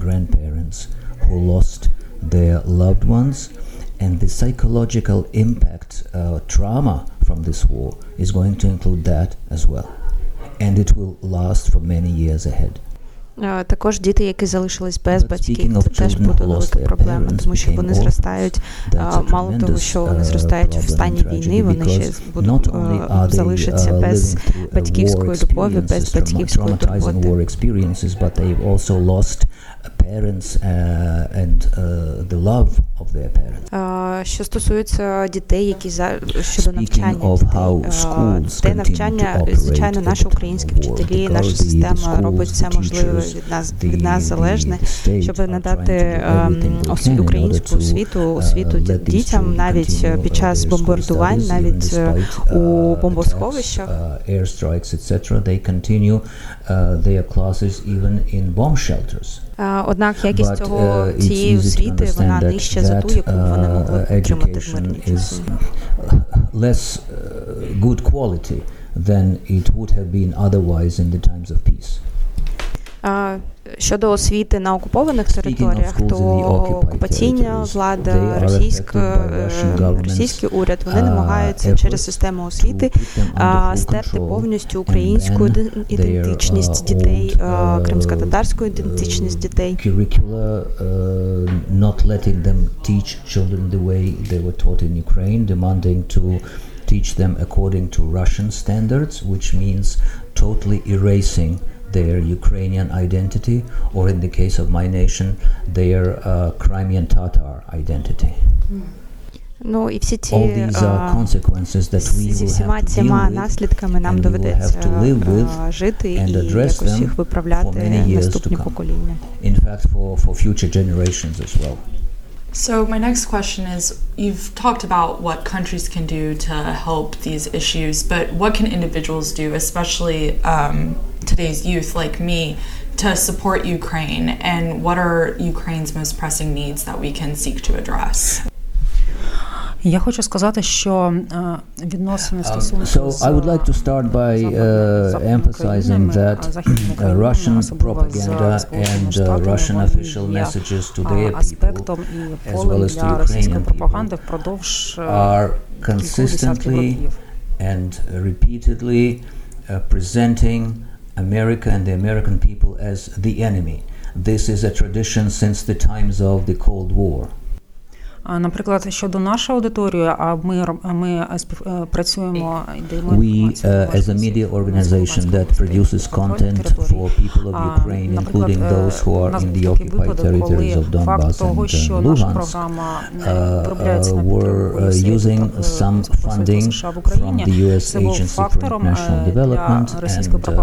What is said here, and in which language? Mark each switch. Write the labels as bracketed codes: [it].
[en] Parents who lost their loved ones, and the psychological impact trauma from this war is going to include that as well, and it will last for many years ahead. [uk] Також діти, які залишились без батьків, це теж буде велика проблема, тому що вони зростають, мало того, що вони зростають в стані війни, вони ще будуть залишитися без батьківської любові, без батьківської турботи. [en] But they've also lost parents and the love of their parents. [uk] Що стосується дітей, які щодо навчання дітей, те навчання, звичайно, наші українські вчителі, наша система робить все можливе від нас залежне, щоб надати українську освіту дітям, навіть під час бомбардувань, навіть у бомбосховищах. [en] Airstrikes, etc., they continue their classes even in bomb shelters. [uk] Однак якість цієї освіти, вона нижча за ту, яку вони можуть отримати в мирній час. [en] Less good quality than it would have been otherwise in the times of peace. [uk] Щодо освіти на окупованих територіях, то окупаційна влада, російський уряд, вони намагаються через систему освіти стерти повністю українську ідентичність дітей, кримсько-татарську ідентичність дітей. [en] Curricula, not letting them teach children the way they were taught in Ukraine, demanding to teach them according to Russian standards, which means totally erasing their Ukrainian identity, or in the case of my nation, their Crimean Tatar identity. [uk] Ну, і всі ці [en] all these are consequences that we will have to deal with, [uk] наслідками нам доведеться жити і якось їх виправляти на наступні покоління. [en] In fact, for future generations as well. So my next question is, you've talked about what countries can do to help these issues, but what can individuals do, especially today's youth like me, to support Ukraine? And what are Ukraine's most pressing needs that we can seek to address? [uk] Я хочу сказати, що відносини стосовно [en] So I would like to start by emphasizing that Russian propaganda and Russian official messages to their people, as well as to Ukrainian people, are consistently and repeatedly presenting America and the American people as the enemy. This is a tradition since the times of the Cold War. [uk] Наприклад, щодо нашої аудиторії, а ми працюємо [en] We as a media organization that produces content for people of Ukraine, including those who are in the occupied territories of Donbas and Luhansk, were using some funding from the US Agency for International Development and